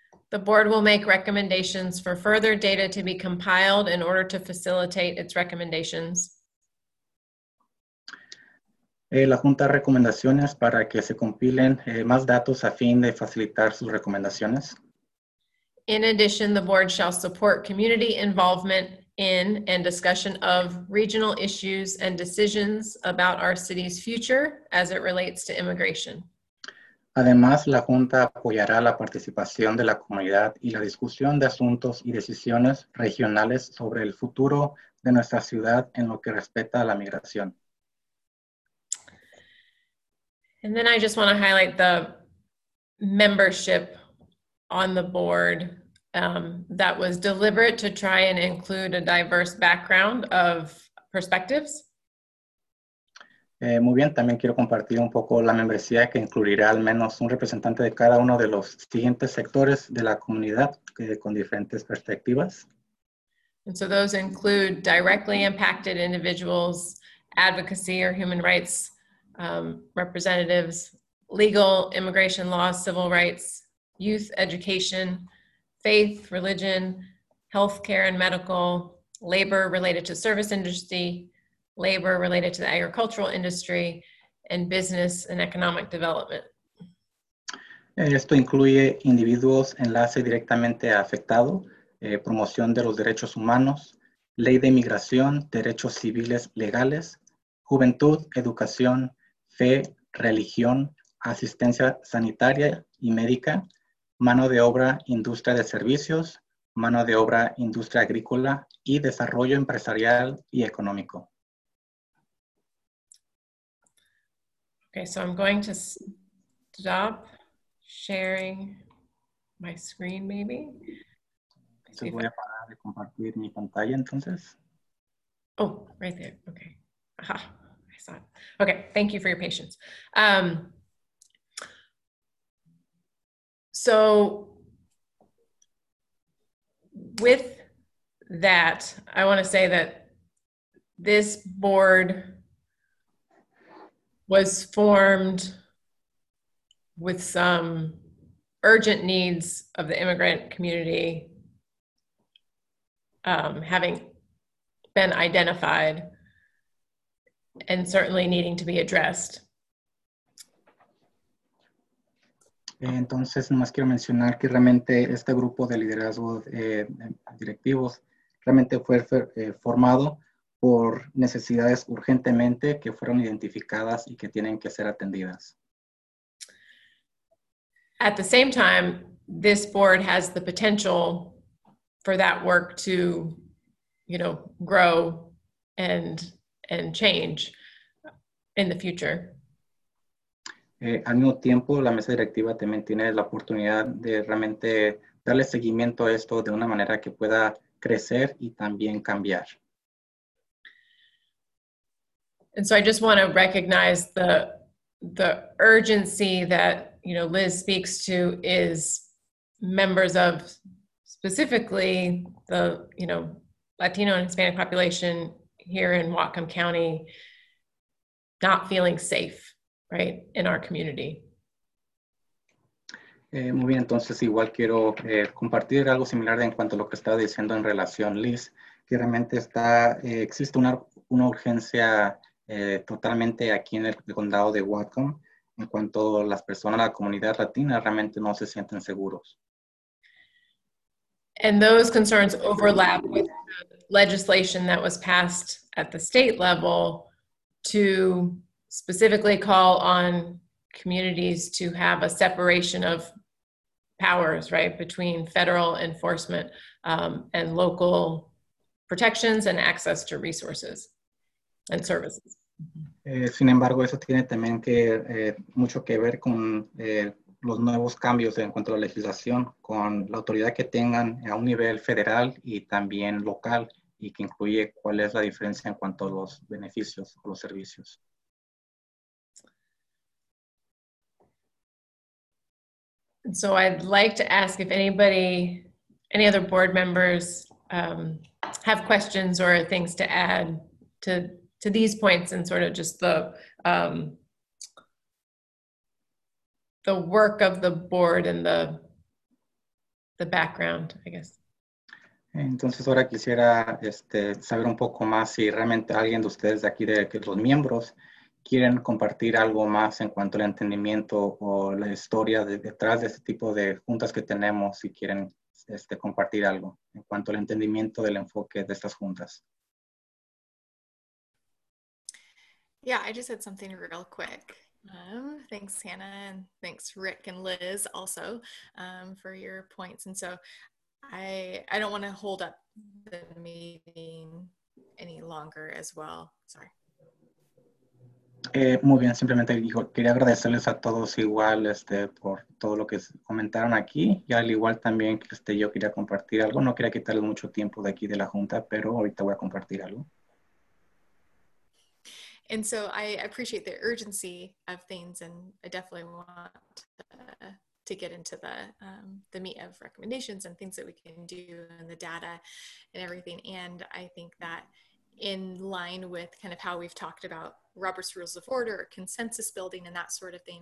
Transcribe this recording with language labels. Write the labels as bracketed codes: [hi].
[en] The board will make recommendations for further data to be compiled in order to facilitate its recommendations. [es] La junta recomendaciones para que se compilen más datos a fin de facilitar sus recomendaciones. [en] In addition, the board shall support community involvement in and discussion of regional issues and decisions about our city's future as it relates to immigration. [es] Además, la junta apoyará la participación de la comunidad y la discusión de asuntos y decisiones regionales sobre el futuro de nuestra ciudad en lo que respecta a la migración. [en] And then I just want to highlight the membership on the board that was deliberate to try and include a diverse background of perspectives. [es] Muy bien, también quiero compartir un poco la membresía que incluirá al menos un representante de cada uno de los siguientes sectores de la comunidad con diferentes perspectivas. [en] And so those include directly impacted individuals, advocacy or human rights representatives, legal, immigration laws, civil rights, youth education, faith, religion, healthcare and medical, labor related to service industry, labor related to the agricultural industry, and business and economic development. [es] Esto incluye individuos, enlace directamente afectado, promoción de los derechos humanos, ley de inmigración, derechos civiles legales, juventud, educación, fe, religión, asistencia sanitaria y médica, mano de obra, industria de servicios, mano de obra, industria agrícola y desarrollo empresarial y económico. [en] Okay, so I'm going to stop sharing my screen, maybe. [es] So voy a parar de compartir mi pantalla, entonces. [en] Oh, right there. Okay. Aha. Okay, thank you for your patience. So with that, I want to say that this board was formed with some urgent needs of the immigrant community having been identified and certainly needing to be addressed. [es] Entonces, nomás quiero mencionar que realmente este grupo de liderazgo directivos realmente fue formado por necesidades urgentemente que fueron identificadas y que tienen que ser atendidas. [en] At the same time, this board has the potential for that work to, you know, grow and change in the future. [es] Al mismo tiempo, la mesa directiva también tiene la oportunidad de realmente darle seguimiento a esto de una manera que pueda crecer y también cambiar. [en] And so I just want to recognize the urgency that, you know, Liz speaks to is members of specifically the, you know, Latino and Hispanic population here in Whatcom County not feeling safe, right, in our community. [es] Muy bien, entonces igual quiero compartir algo similar en cuanto a lo que estaba diciendo en relación Liz, que realmente está, existe una urgencia totalmente aquí en el condado de Whatcom en cuanto a las personas de la comunidad latina realmente no se sienten seguros. [en] And those concerns overlap with the legislation that was passed at the state level to specifically call on communities to have a separation of powers, right, between federal enforcement and local protections and access to resources and services. [es] Sin embargo, eso tiene también que mucho que ver con los nuevos cambios en cuanto a la legislación, con la autoridad que tengan a un nivel federal y también local, y que incluye cuál es la diferencia en cuanto a los beneficios o los servicios. [en] So I'd like to ask if anybody, any other board members have questions or things to add to these points and sort of just the work of the board and the background, I guess. [es] Entonces ahora quisiera saber un poco más si realmente alguien de ustedes de aquí, de los miembros, quieren compartir algo más en cuanto al entendimiento o la historia de, detrás de este tipo de juntas que tenemos, si quieren compartir algo en cuanto al entendimiento del enfoque de estas juntas. [en] Yeah, I just said something real quick. Thanks, Hannah, and thanks, Rick and Liz, also, for your points. And so I don't want to hold up the meeting any longer as well. Sorry. [es] Muy bien, simplemente quería agradecerles a todos igual por todo lo que comentaron aquí y al igual también que yo quería compartir algo, no quería quitarles mucho tiempo de aquí de la junta, pero ahorita voy a compartir algo. [en] And so I appreciate the urgency of things and I definitely want to get into the meat of recommendations and things that we can do and the data and everything, and I think that in line with kind of how we've talked about Robert's Rules of Order, consensus building and that sort of thing.